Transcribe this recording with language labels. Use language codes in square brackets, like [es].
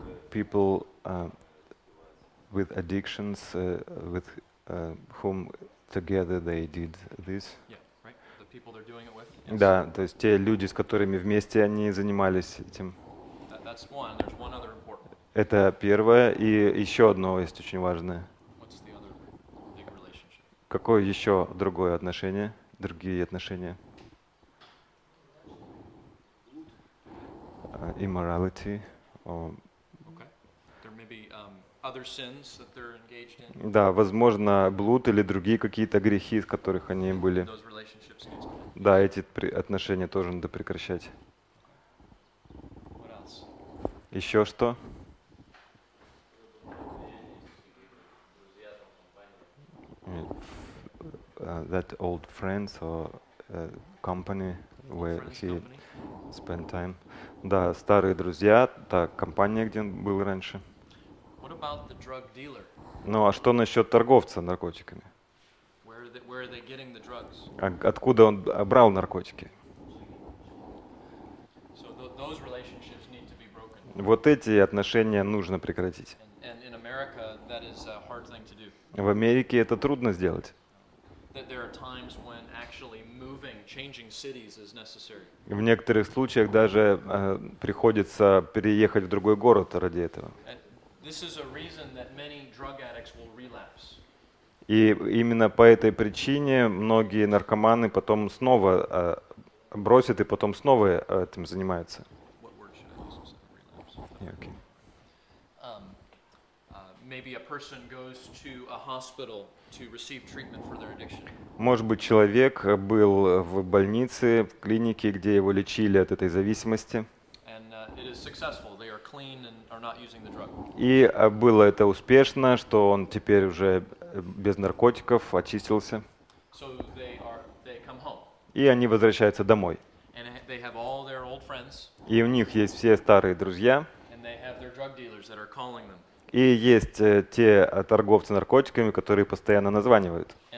[en] People with addictions with whom together they did this. Yeah, right. The people they're doing it with. Yes. [ru] Да, то есть те люди, с которыми вместе они занимались этим. [en] That's one. There's one other important. [ru] Это первое, и еще одно есть очень важное. [en] What's the other big relationship? [ru] Какое еще другое отношение, другие отношения? [en] Immorality. Okay. There may be other sins that they're engaged in. [ru] Да, возможно, блуд или другие какие-то грехи, из которых они были. [en] Those relationships need to end. [ru] Да, эти отношения тоже надо прекращать. Еще что? [en] That old friends or company where he spent time. [ru] Да, старые друзья, та компания, где он был раньше. [en] What about the drug dealer? [ru] Ну а что насчет торговца наркотиками? [en] Where are they getting the drugs? [ru] Откуда он брал наркотики? [en] So those relationships need to be broken. [ru] Вот эти отношения нужно прекратить. [en] And in America, that is a hard thing to do. [ru] В Америке это трудно сделать. [en] There are times when actually moving, changing cities is necessary. [ru] В некоторых случаях даже приходится переехать в другой город ради этого. [en] This is a reason that many drug addicts will relapse. [ru] И именно по этой причине многие наркоманы потом снова бросят и потом снова этим занимаются. [en] What word should I use? Okay. Maybe a person goes to a hospital to receive treatment for their addiction. [ru] Может быть, человек был в больнице, в клинике, где его лечили от этой зависимости. [en] And it is successful. They are clean and are not using the drug. [ru] И было это успешно, что он теперь уже без наркотиков очистился. [en] So they come home. [ru] И они возвращаются домой. [en] And they have all their old friends. [ru] И у них есть все старые друзья. [en] And they have their drug dealers that are calling them. [ru] И есть те торговцы наркотиками, которые постоянно названивают.